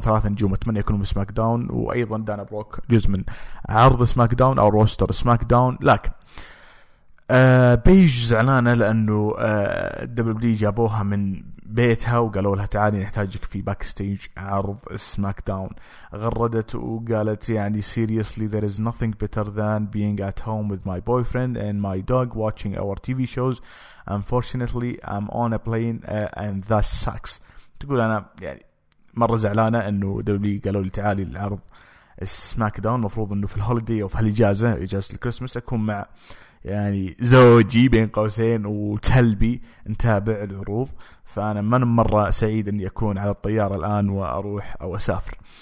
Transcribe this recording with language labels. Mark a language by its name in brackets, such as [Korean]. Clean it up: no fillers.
[Arabic] ثلاثه نجوم اتمنى يكونوا في سماك داون, وايضا دانا بروك جزء من عرض سماك داون او روستر سماك داون. لكن بيج زعلانه لانه دبليو دي جابوها من بيتها وقالوا لها تعالي نحتاجك في باكستيج عرض سماك داون. غردت وقالت يعني [English] seriously there is nothing better than being at home with my boyfriend and my dog watching our TV shows. Unfortunately I'm on a plane and that sucks. [Arabic] تقول أنا يعني مرة زعلانة أنه دولي قالوا لي تعالي العرض سماك داون, مفروض أنه في الهوليدي أو في هالإجازة إجازة الكريسماس أكون مع يعني زوجي بين قوسين وتلبي نتابع العروض, فأنا من مرة سعيد أني أكون على الطيارة الآن وأروح أو أسافر.